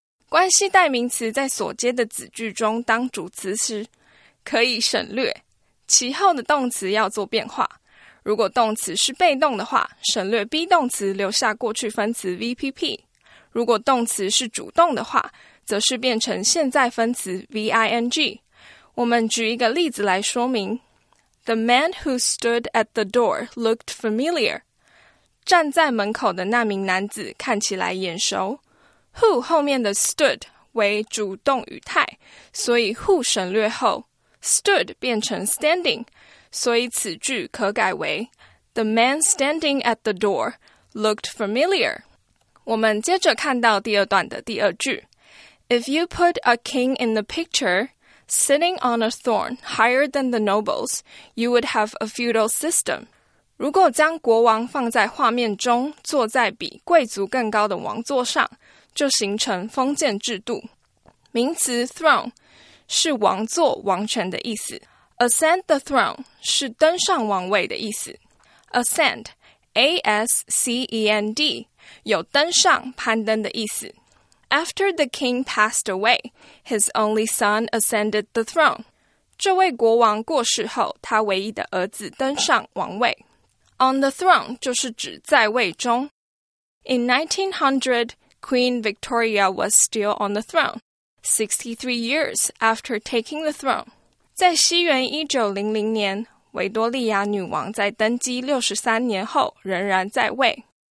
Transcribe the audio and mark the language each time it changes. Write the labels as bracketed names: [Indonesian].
[Chinese] 关系代名词在所接的子句中当主词时可以省略，其后的动词要做变化。如果动词是被动的话，省略 be 动词留下过去分词 VPP。如果动词是主动的话，则是变成现在分词 ving。我们举一个例子来说明。 [English] The man who stood at the door looked familiar。 [Chinese] 站在门口的那名男子看起来眼熟。 Who 后面的 stood 为主动语态，所以 who 省略后， stood 变成 standing， 所以此句可改为 [English] The man standing at the door looked familiar。 [Chinese] 我们接着看到第二段的第二句。 [English] If you put a king in the picture, sitting on a throne higher than the nobles, you would have a feudal system. [Chinese] 如果将国王放在画面中，坐在比贵族更高的王座上，就形成封建制度。名词 throne 是王座、王权的意思。 [English] Ascend the throne [Chinese] 是登上王位的意思。Ascend, A-S-C-E-N-D, 有登上、攀登的意思。 [English] After the king passed away, his only son ascended the throne. [Chinese] 这位国王过世后，他唯一的儿子登上王位。 [English] On the throne [Chinese] 就是指在位中。 [English] In 1900, Queen Victoria was still on the throne, 63 years after taking the throne. [Chinese] 在西元1900年，维多利亚女王在登基63年后仍然在位。